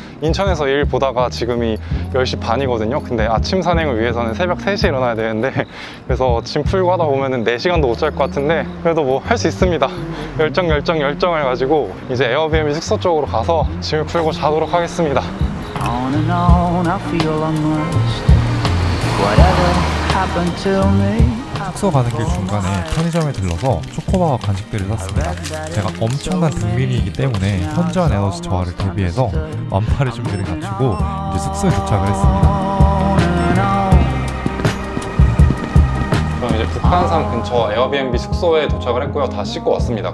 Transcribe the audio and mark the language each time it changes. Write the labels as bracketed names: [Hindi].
[Korean] 인천에서 일 보다가 지금이 10시 반이거든요. 근데 아침 산행을 위해서는 새벽 3시에 일어나야 되는데 그래서 짐 풀고 하다 보면 4시간도 못 잘 것 같은데 그래도 뭐 할 수 있습니다. 열정을 가지고 이제 에어비앤비 숙소 쪽으로 가서 짐을 풀고 자도록 하겠습니다. [English] On and on, I feel unmatched. Whatever happened to me. [Korean] 숙소 가는 길 중간에 편의점에 들러서 초코바와 간식들을 샀습니다. 제가 엄청난 등빈이이기 때문에 현저한 에너지 저하를 대비해서 만팔의 준비를 갖추고 이제 숙소에 도착을 했습니다. 그럼 이제 북한산 근처 에어비앤비 숙소에 도착을 했고요. 다 씻고 왔습니다.